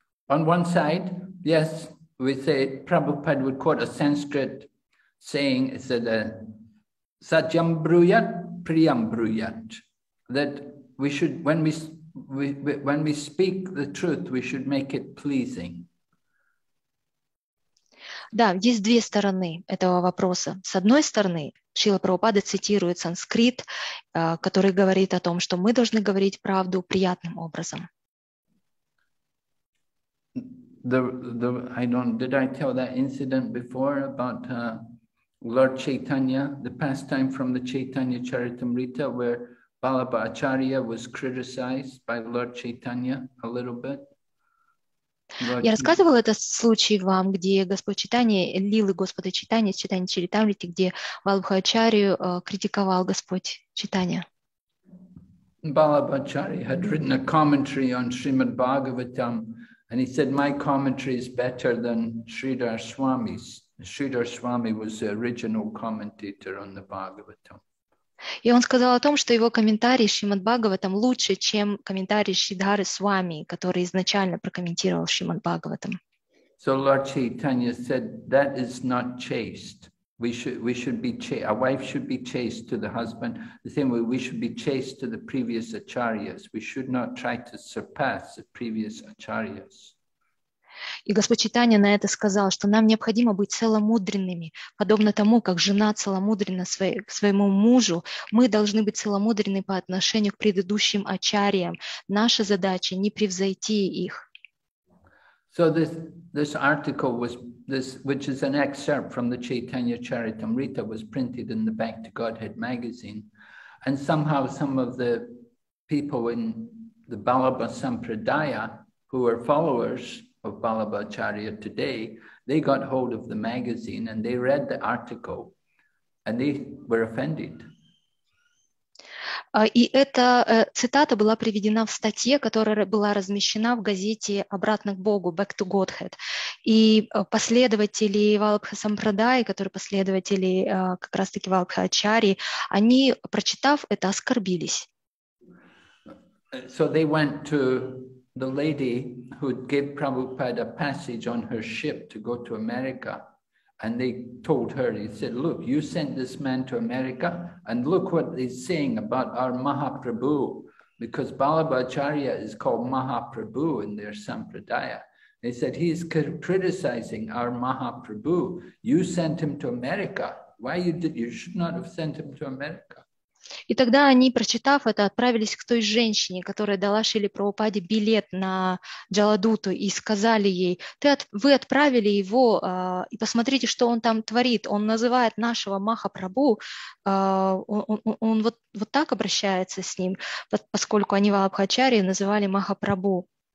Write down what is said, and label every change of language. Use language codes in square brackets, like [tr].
[en] On one side, yes, we say Prabhupada would quote a Sanskrit saying, it said, Satyam Bruyat Priyam Bruyat, that we should, when we speak the truth, we should make it pleasing. [ru] Да, есть две стороны этого вопроса. С одной стороны, Шрила Прабхупада цитирует санскрит, который говорит о том, что мы должны говорить правду приятным образом. [en] Did I tell that incident before about Lord Chaitanya, the pastime from the Chaitanya Charitamrita, where Balabha Acharya was criticized by Lord Chaitanya a little bit. [ru] Я рассказывала этот случай вам, где Господь Чайтанья, лилы Господа Чайтанья, Чайтанья Чаритамрити, где Балабха Ачарью критиковал Господь Чайтанья. [en] Balabha Acharya had written a commentary on Srimad Bhagavatam, and he said, my commentary is better than Sridhar Swami's. Sridhar Swami was the original commentator on the Bhagavatam. [ru] И он сказал о том, что его комментарий Шримад Бхагаватам лучше, чем комментарий Шридхары Свами, который изначально прокомментировал Шримад Бхагаватам. [en] So Lord Chaitanya said, that is not chaste. We should be chaste. A wife should be chaste to the husband. The same way we should be chaste to the previous acharyas. We should not try to surpass the previous acharyas. [ru] И Господь Чайтанья на это сказал, что нам необходимо быть целомудренными, подобно тому, как жена целомудрена к своему мужу. Мы должны быть целомудренны по отношению к предыдущим ачарьям. Наша задача — не превзойти их. [en] So this article was this, which is an excerpt from the Chaitanya Charitamrita, was printed in the Back to Godhead magazine, and somehow some of the people in the Balabha Sampradaya who are followers of Balabha Acharya today, they got hold of the magazine and they read the article and they were offended. [ru] И эта цитата была приведена в статье, которая была размещена в газете «Обратно к Богу», «Back to Godhead». И последователи Валабха Сампрадаи, которые последователи как раз-таки Валабха Ачарьи, они, прочитав это, оскорбились. [en] So they went to the lady who gave Prabhupada a passage on her ship to go to America, and they told her, he said, look, you sent this man to America, and look what they're saying about our Mahaprabhu, because Balabha Acharya is called Mahaprabhu in their Sampradaya. They said, he's criticizing our Mahaprabhu. You sent him to America. Why you should not have sent him to America. [ru] И тогда они, прочитав это, отправились к той женщине, которая дала Шриле Прабхупаде билет на Джаладуту, и сказали ей: вы отправили его, и посмотрите, что он там творит. Он называет нашего Махапрабху, он вот так обращается с ним, поскольку они Вабхачари называли Махапрабху.